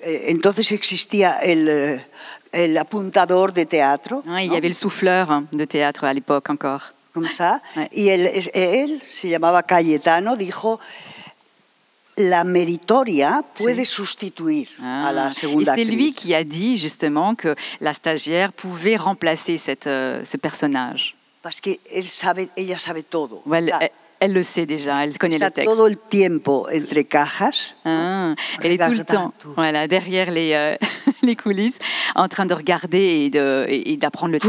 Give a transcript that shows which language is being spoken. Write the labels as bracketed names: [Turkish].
[Spanish] Entonces existía el apuntador de teatro. [French] Il y avait le souffleur de théâtre à l'époque encore. Comme ça. Ouais. [Spanish] Y él se llamaba Cayetano, dijo. La méritoria puede sustituir a la segunda actriz. [French] Et c'est lui qui a dit justement que la stagiaire pouvait remplacer ce personnage. Parce qu'elle savait, [Spanish] ella sabe todo. [French] Elle le sait déjà, elle connaît le texte. [Spanish] Está todo el tiempo entre cajas. [French] Elle est tout le temps, voilà, derrière les coulisses, en train de regarder et d'apprendre le texte.